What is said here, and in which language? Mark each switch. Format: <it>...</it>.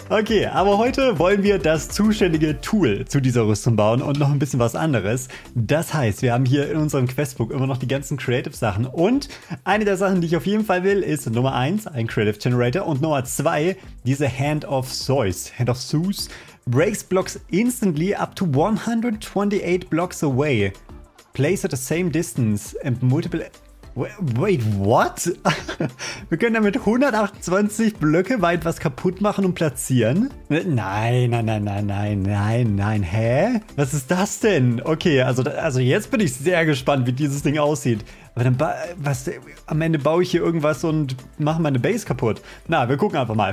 <de>Okay, aber heute wollen wir das zuständige Tool zu dieser Rüstung bauen und noch ein bisschen was anderes. Das heißt, wir haben hier in unserem Questbook immer noch die ganzen Creative-Sachen. Und eine der Sachen, die ich auf jeden Fall will, ist Nummer 1, ein Creative Generator. Und Nummer 2, diese Hand of Zeus.</de> <en>Hand of Zeus breaks blocks instantly up to 128 blocks away. Place at the same distance and multiple... Wait, what?</en> <de>Wir können damit 128 Blöcke weit was kaputt machen und platzieren? Nein. Hä? Was ist das denn? Okay, also jetzt bin ich sehr gespannt, wie dieses Ding aussieht. Aber dann, am Ende baue ich hier irgendwas und mache meine Base kaputt. Na, wir gucken einfach mal.</de>